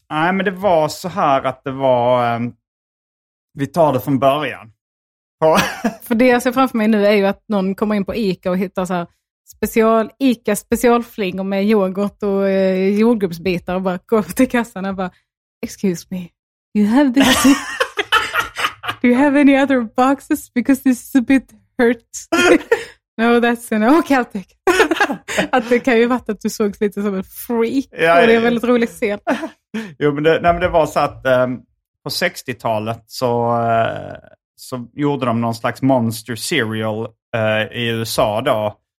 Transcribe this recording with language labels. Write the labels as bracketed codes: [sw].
[sv] Nej, men det var så här att det var, vi tar det från början. För det jag ser framför mig nu är ju att någon kommer in på ICA och hittar så här special, ICA specialflingor med yoghurt och jordgubbsbitar och bara går till kassan och bara, [en] excuse me, you have this? Do you have any other boxes? Because this is a bit hurt. No, that's an okay. [sv] Att det kan ju vara att du såg lite som en freak. Ja, och det är väldigt roligt att se. Jo, men det var så att på 60-talet så gjorde de någon slags monster cereal i USA då.